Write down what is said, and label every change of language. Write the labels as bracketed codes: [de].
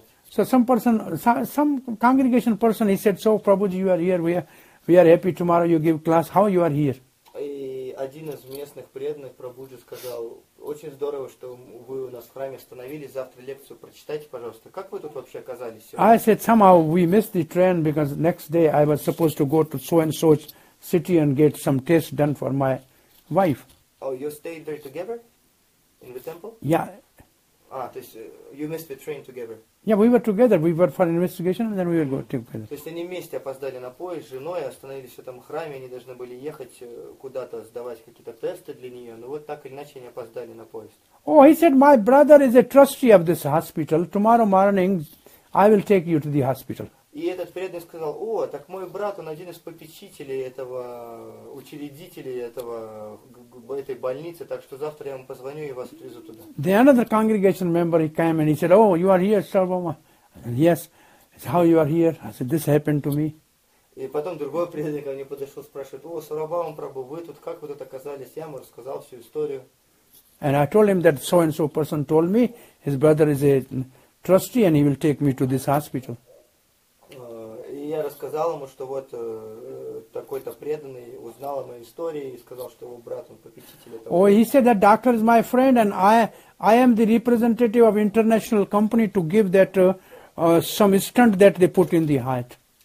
[en] So some congregation person, he said, "So Prabhuji, you are here. We are happy. Tomorrow you give class. How you are here?" [ru] Один из местных преданных Прабуджи сказал: «Очень здорово, что вы у нас в храме остановились. Завтра лекцию прочитайте, пожалуйста. Как вы тут вообще оказались сегодня?» [en] I said, somehow we missed the train because next day I was supposed to go to so and so city and get some tests done for my wife. Oh, you stayed there together in the temple? Yeah. [ru] То есть [en] you missed the train together? Yeah, we were together. We were for investigation and then we were going together. [ru] То есть они вместе опоздали на поезд с женой, остановились в этом храме, они должны были ехать куда-то, сдавать какие-то тесты для нее, но вот так или иначе они опоздали на поезд. [en] Oh, he said, my brother is a trustee of this hospital. Tomorrow morning I will take you to the hospital. [ru] И этот преданный сказал: о, так мой брат, он один из попечителей этого, учредителей этого, этой больницы, так что завтра я ему позвоню и вас отвезу туда. [en] The another congregation member, he came and he said, oh, you are here, Sarvama? Yes. How you are here? I said, this happened to me. [ru] И потом другой преданный ко мне подошел, спрашивает: о, Сарвабхаум Прабху, вы тут, как вы тут оказались? Я ему рассказал всю историю. [en] And I told him that so and so person told me, his brother is a trustee and he will take me to this hospital. [ru] Я рассказал ему, что вот такой-то преданный узнал о моей истории и сказал, что его брат, он попечитель этого. [en] Oh, he said that doctor is my friend and I am the representative of international company to give that some stent that they put in the heart.